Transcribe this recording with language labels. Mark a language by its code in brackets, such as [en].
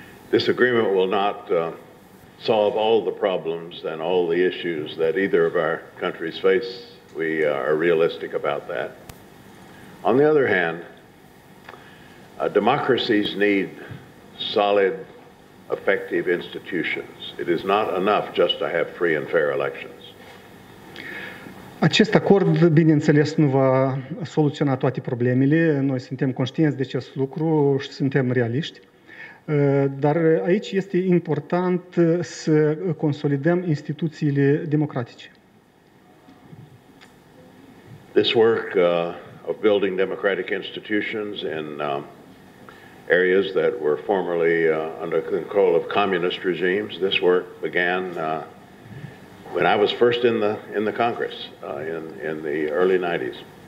[en] This agreement will not solve all the problems and all the issues that either of our countries face. We are realistic about that. On the other hand, democracies need solid, effective institutions. It is not enough just to have free and fair elections. [ro] Acest acord, bineînțeles, nu va soluționa toate problemele. Noi suntem conștienți de acest lucru și suntem realiști. Dar aici este important să consolidăm instituțiile democratice. [en] This work of building democratic institutions in areas that were formerly under control of communist regimes. This work began when I was first in the Congress in the early 90s.